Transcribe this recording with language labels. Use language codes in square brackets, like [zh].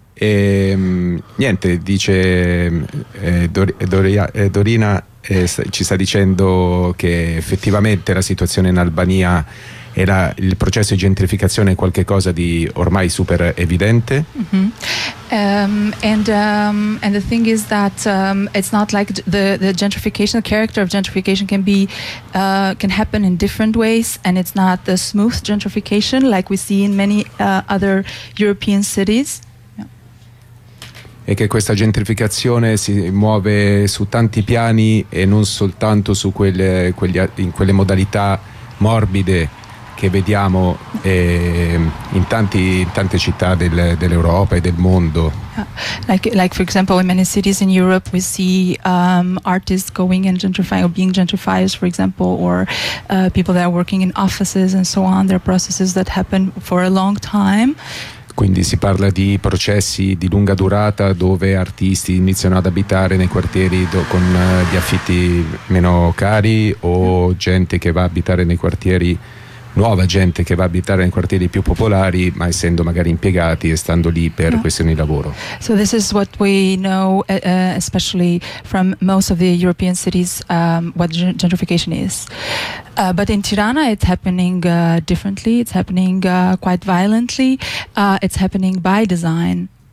[it] E, niente, dice Dorina, ci sta dicendo che effettivamente la situazione in Albania e il processo di gentrificazione è qualcosa di ormai super evidente. Mm-hmm. [en] And the thing is that it's not like the gentrification, the character of gentrification can be can happen in different ways, and it's not the smooth gentrification like we see in many other European cities. [it] E che questa gentrificazione si muove su tanti piani e non soltanto su quelle modalità morbide che vediamo in tante città dell'Europa e del mondo. [en] Like for example, in many cities in Europe we see artists going and gentrifying, or being gentrifiers, for example, or people that are working in offices and so on. There are processes that happen for a long time. [it] Quindi si parla di processi di lunga durata dove artisti iniziano ad abitare nei quartieri con gli affitti meno cari, o gente che va a abitare nei quartieri, nuova gente che va a abitare nei quartieri più popolari, ma essendo magari impiegati e stando lì per questioni di lavoro. [en] So this is what we know especially from most of the European cities, what gentrification is. But in Tirana it's happening differently, it's happening quite violently, it's happening by design.